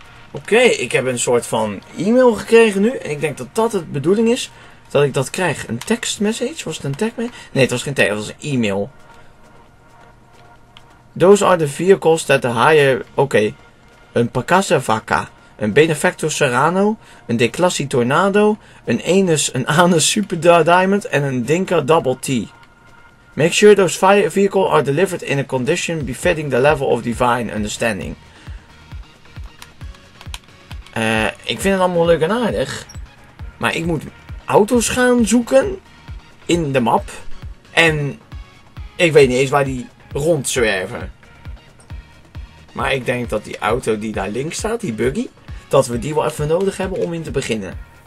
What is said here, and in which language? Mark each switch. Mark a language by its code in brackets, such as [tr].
[nl] Oké, ik heb een soort van e-mail gekregen nu. En ik denk dat dat de bedoeling is. Dat ik dat krijg. Een tekstmessage? Was het een tekstmessage? Nee, het was geen tekst. Het was een e-mail. [en] Those are the vehicles that the higher... [nl] Oké. Een Pacasa Vaca. Een Benefactor Serrano. Een Declassi Tornado. Een Anus Super Diamond. En een Dinka Double T. [en] Make sure those fire vehicles are delivered in a condition befitting the level of divine understanding. [nl] Ik vind het allemaal leuk en aardig. Maar ik moet auto's gaan zoeken. In de map. En ik weet niet eens waar die rondzwerven. Maar ik denk dat die auto die daar links staat, die buggy. Dat we die wel even nodig hebben om in te beginnen.